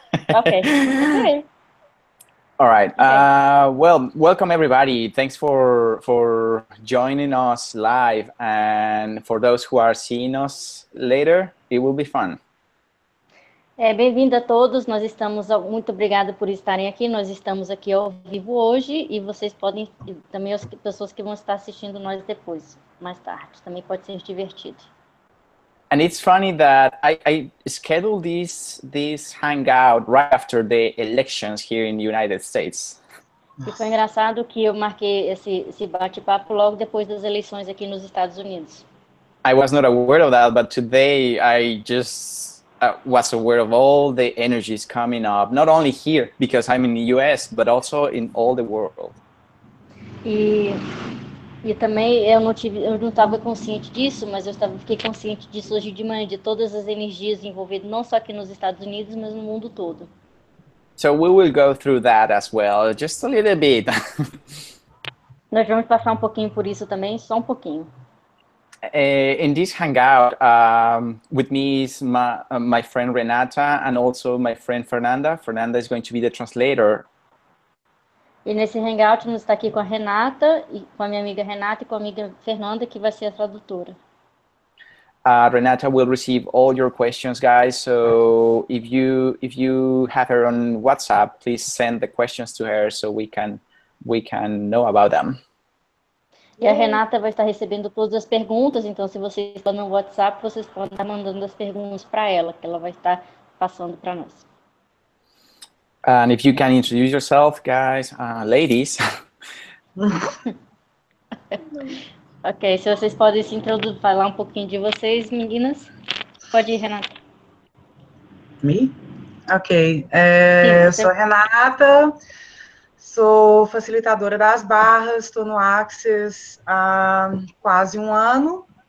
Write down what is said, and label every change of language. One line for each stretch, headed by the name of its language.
English: Okay. All right. Okay. Well, welcome everybody. Thanks for joining us live, and for those who are seeing us later, it will be fun.
Portuguese: Bem-vindo a todos. Nós estamos muito obrigado por estarem aqui. Nós estamos aqui ao vivo hoje e vocês podem também as pessoas que vão estar assistindo nós depois, mais tarde. Também pode ser divertido.
English: And it's funny that I scheduled this hangout right after the elections here in the United States.
Portuguese: E foi engraçado que eu marquei esse bate-papo logo depois das eleições aqui nos Estados Unidos.
English: I was not aware of that, but today I just was aware of all the energies coming up, not only here because I'm in the US, but also in all the world.
Portuguese: E também eu não estava consciente disso, mas fiquei consciente disso hoje de manhã, de todas as energias envolvidas, não só aqui nos Estados Unidos, mas no mundo todo.
English: So we will go through that as well, just a little bit.
Portuguese: Nós vamos passar um pouquinho por isso também, só um pouquinho.
English: In this hangout, with me is my friend Renata and also my friend Fernanda. Fernanda is going to be the translator.
Portuguese: E nesse hangout, nós está aqui com a Renata, e com a minha amiga Renata e com a amiga Fernanda, que vai ser a tradutora.
English: Renata will receive all your questions, guys. So if you have her on WhatsApp, please send the questions to her so we can know about them.
Portuguese: E a Renata vai estar recebendo todas as perguntas, então se vocês estão no WhatsApp, vocês podem estar mandando as perguntas para ela, que ela vai estar passando para nós.
English: And if you can introduce yourself, guys, ladies.
Portuguese: Ok, se vocês podem se introduzir, falar um pouquinho de vocês, meninas. Pode ir, Renata.
English: Me? Ok,
Portuguese: Sim, eu sou você. Renata, sou facilitadora das barras, estou no Access há quase um ano.